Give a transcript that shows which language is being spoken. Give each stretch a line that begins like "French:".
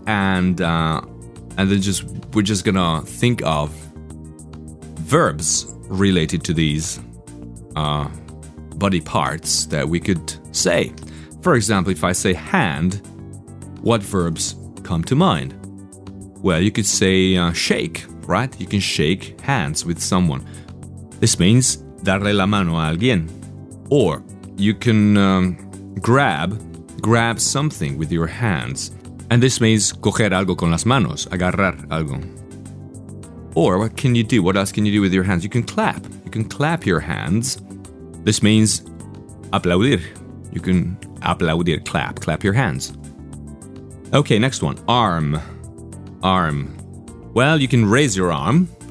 English: And then we're just going to think of verbs related to these buddy parts that we could say. For example, if I say hand, what verbs come to mind? Well, you could say shake, right? You can shake hands with someone. This means
Spanish: darle la mano a alguien.
English: Or you can grab something with your hands. And this means
Spanish: coger algo con las manos, agarrar algo.
English: Or what can you do? What else can you do with your hands? You can clap. You can clap your hands. This means
Spanish: aplaudir.
English: You can aplaudir, clap your hands. Okay, next one, arm. Arm. Well, you can raise your arm.